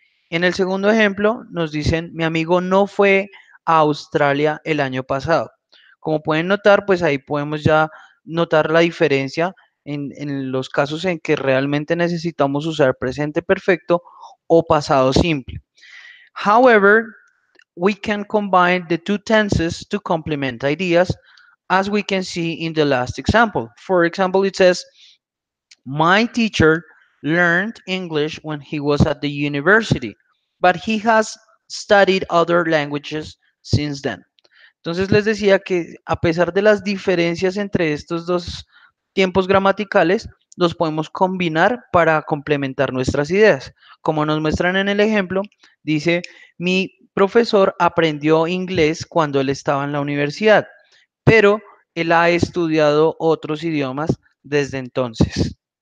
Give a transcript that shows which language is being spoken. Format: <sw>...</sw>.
<es>En el segundo ejemplo nos dicen, mi amigo no fue a Australia el año pasado. Como pueden notar, pues ahí podemos ya notar la diferencia. En los casos en que realmente necesitamos usar presente perfecto o pasado simple.</es> <en>However, we can combine the two tenses to complement ideas, as we can see in the last example. For example, it says, my teacher learned English when he was at the university, but he has studied other languages since then.</en> <es>Entonces les decía que a pesar de las diferencias entre estos dos tiempos gramaticales los podemos combinar para complementar nuestras ideas. Como nos muestran en el ejemplo, dice, mi profesor aprendió inglés cuando él estaba en la universidad, pero él ha estudiado otros idiomas desde entonces.</es>